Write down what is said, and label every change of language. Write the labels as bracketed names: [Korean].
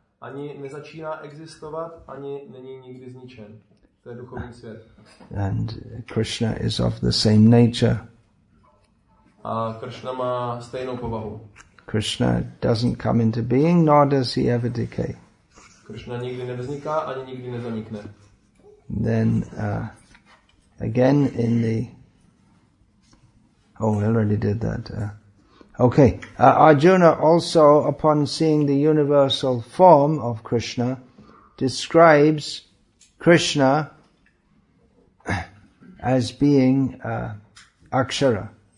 [Czech] Ani nezačíná existovat, ani není nikdy zničen. To je duchovní svět. [English] And Krishna is of the same nature. [Czech] A Krishna má stejnou povahu. [English] Krishna doesn't come into being, nor does he ever decay. [Czech] Krishna nikdy nevzniká ani nikdy nezanikne. [English] Then again in the oh, I already did that. Okay, Arjuna also, upon seeing the universal form of Krishna, describes Krishna as being Akshara.